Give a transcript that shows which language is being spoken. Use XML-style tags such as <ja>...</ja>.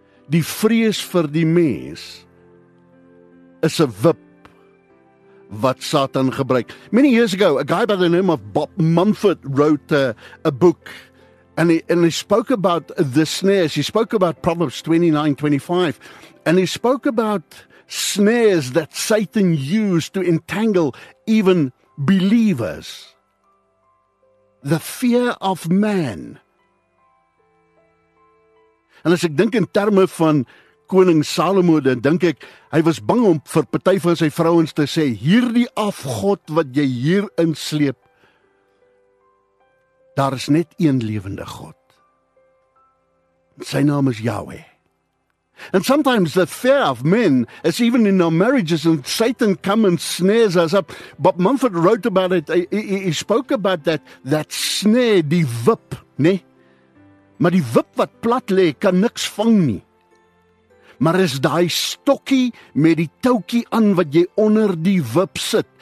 <af>Die vrees vir die mens is a wip wat Satan gebruik.</af> <en>Many years ago, a guy by the name of Bob Mumford wrote a book, and he spoke about the snares. He spoke about Proverbs 29:25, and he spoke about snares that Satan used to entangle even believers. The fear of man.</en> <af>And as ek dink in terme van Koning Salomo, dan dink ek, hy was bang om vir party van sy vrouens te sê, hierdie afgod wat jy hier insleep, daar is net een lewende God. Sy naam is Yahweh.</af> <en>And sometimes the fear of men is even in our marriages, and Satan come and snares us up. Bob Mumford wrote about it, he spoke about that snare,</en> <af>die wip, nee? Maar die wip wat plat lê kan niks vang nie. Maar is daai stokkie met die toukie aan wat jy onder die wip sit.</af>